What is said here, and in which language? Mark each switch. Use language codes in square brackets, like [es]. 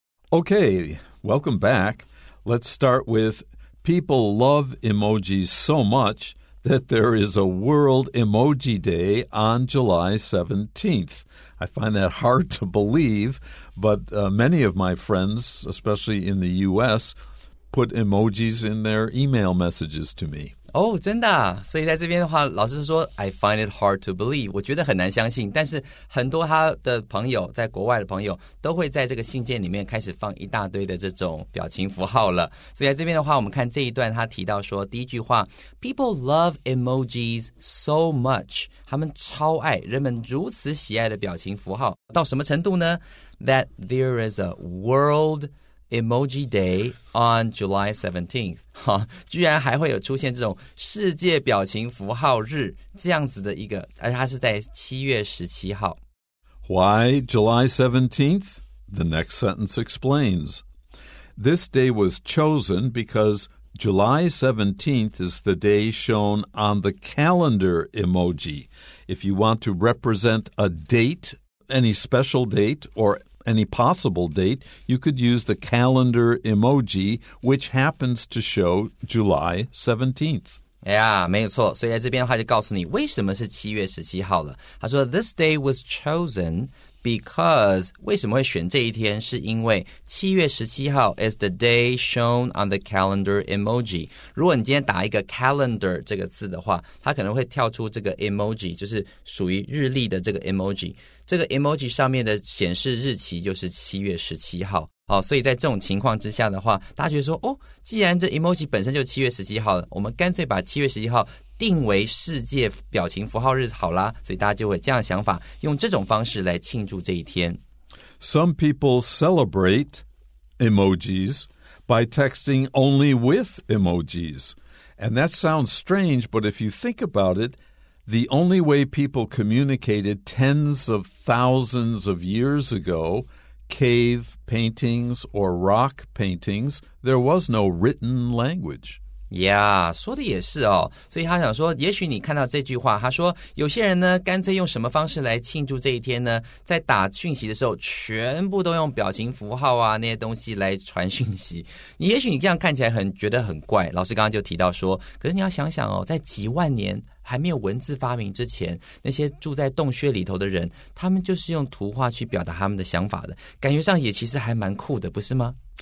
[en] Okay, welcome back. Let's start with people love emojis so much that there is a World Emoji Day on July 17th. I find that hard to believe, but many of my friends, especially in the U.S., put emojis in their email messages to me. [zh] Oh, 真的啊？所以在这边的话，老师说 [en] I find it hard to believe. [zh] 我觉得很难相信，但是很多他的朋友，在国外的朋友，都会在这个信件里面开始放一大堆的这种表情符号了。所以在这边的话，我们看这一段，他提到说，第一句话 [en] People love emojis so much. [zh] 他们超爱，人们如此喜爱的表情符号，到什么程度呢？ [en] That there is a world Emoji Day on July 17th. [zh] 居然还会有出现这种世界表情符号日这样子的一个，而它是在7月17号。 [en] Why July 17th? The next sentence explains. This day was chosen because July 17th is the day shown on the calendar emoji. If you want to represent a date, any special date or any possible date, you could use the calendar emoji, which happens to show July 17th. [zh] Yeah, 没有错。所以在这边的话就告诉你为什么是7月17号了。他说 [en] this day was chosen because, [zh] 为什么会选这一天是因为7月17号 [en] is the day shown on the calendar emoji. [zh] 如果你今天打一个 calendar 这个字的话，它可能会跳出这个 emoji, 就是属于日历的这个 emoji。这个 emoji 上面的显示日期就是7月17号、哦、所以在这种情况之下的话，大家觉得说、哦、既然这 emoji 本身就7月17号了，我们干脆把7月17号定为世界表情符号日好啦，所以大家就会这样想法，用这种方式来庆祝这一天。 [en] Some people celebrate emojis by texting only with emojis. And that sounds strange, but if you think about itThe only way people communicated tens of thousands of years ago, cave paintings or rock paintings, there was no written language. [zh] Yeah, 说的也是哦。所以他想说，也许你看到这句话，他说，有些人呢，干脆用什么方式来庆祝这一天呢？在打讯息的时候，全部都用表情符号啊，那些东西来传讯息。你也许你这样看起来很，觉得很怪。老师刚刚就提到说，可是你要想想哦，在几万年还没有文字发明之前，那些住在洞穴里头的人，他们就是用图画去表达他们的想法的，感觉上也其实还蛮酷的，不是吗？